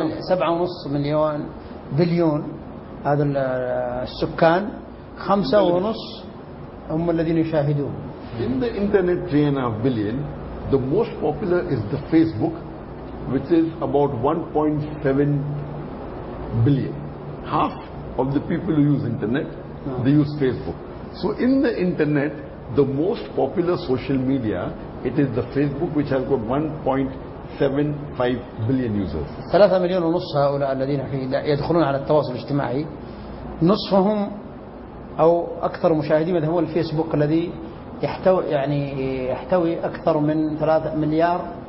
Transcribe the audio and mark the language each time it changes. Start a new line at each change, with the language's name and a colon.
Arabic: سبعة ونص مليون هذا السكان 5.5 هم الذين يشاهدون.
English: In the internet 3.5 billion, the most popular is the Facebook, which is about 1.7 billion. Half of the people who use internet, they use Facebook. So in the internet, the most popular social media, it is the Facebook, which has got 1.7 billion users.
Arabic: 3.5 million هؤلاء الذين يدخلون على التواصل الاجتماعي نصفهم أو أكثر مشاهدين هو الفيسبوك الذي يحتوي يعني يحتوي أكثر من 3.7 مليار.